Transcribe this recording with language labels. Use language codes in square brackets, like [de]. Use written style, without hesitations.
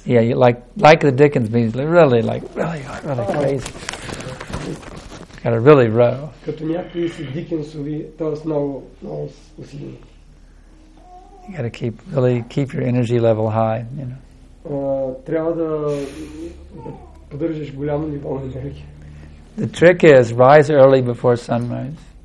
[en] Yeah, like the Dickens means really crazy. Got to really row. [bg] Като някои си Дикенсови, т.е. много усилени. [en] You got to keep your energy level high, you know. [bg] Трябва да поддържаш голямо ниво на енергия. [en] The trick is rise early before sunrise.